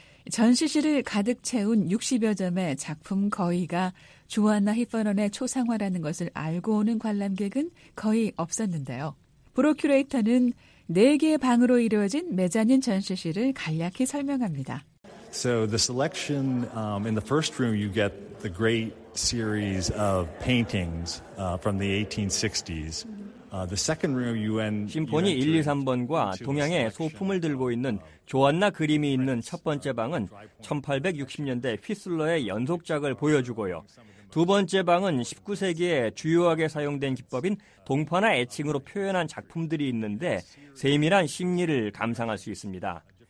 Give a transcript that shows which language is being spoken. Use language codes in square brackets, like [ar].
[ko] 전시실을 가득 채운 60여 점의 작품 거의가 조안나 히퍼넌의 초상화라는 것을 알고 오는 관람객은 거의 없었는데요. 브로큐레이터는 4개의 방으로 이루어진 메자닌 전시실을 간략히 설명합니다. [en] So the selection in the first room, you get the great series of paintings from the 1860s. The second room, you enter. [ko] 심포니 1, 2, 3번과 동양의 소품을 들고 있는 조안나 그림이 있는 첫 번째 방은 1860년대 휘슬러의 연속작을 보여주고요. 두 번째 방은 19세기에 주요하게 사용된 기법인 동파나 애칭으로 표현한 작품들이 있는데 세밀한 심리를 감상할 수 있습니다.